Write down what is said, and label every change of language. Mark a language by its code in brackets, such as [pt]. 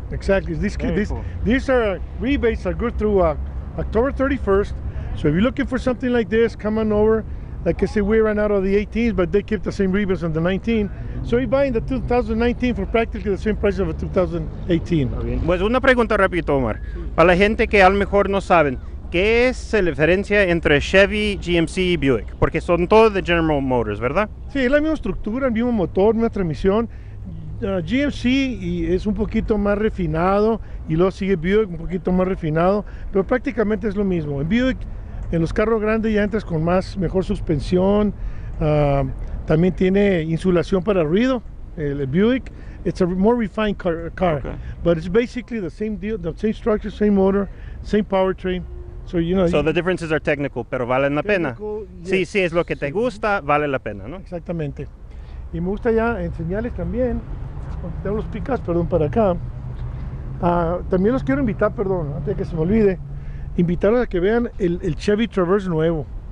[en] These are rebates are good through October 31st. So if you're looking for something like this, come on over. Like I said, we ran out of the 18s, but they keep the same rebates on the 19. So you're buying the 2019 for practically the same price of a 2018. [es] Okay. Pues una pregunta rápido, Omar. Sí. Para la gente que a lo mejor no saben. ¿Qué es la diferencia entre Chevy, GMC y Buick? Porque son todos de General Motors, ¿verdad? Sí, es la misma estructura, el mismo motor, misma transmisión. GMC es un poquito más refinado y luego sigue Buick un poquito más refinado, pero prácticamente es lo mismo. En Buick, en los carros grandes ya entras con mejor suspensión, también tiene insulación para ruido, el Buick. [en] It's a more refined car. Okay. But it's basically the same deal, the same structure, same motor, same powertrain. So, the differences are technical, [es] pero valen la pena. [en] Yes. [es] Sí, es lo que te gusta, vale la pena, ¿no? Exactamente. Y me gusta ya enseñarles también, tengo los pickups, perdón, para acá. También los quiero invitar, perdón, antes de que se me olvide, invitarlos a que vean el Chevy Traverse nuevo.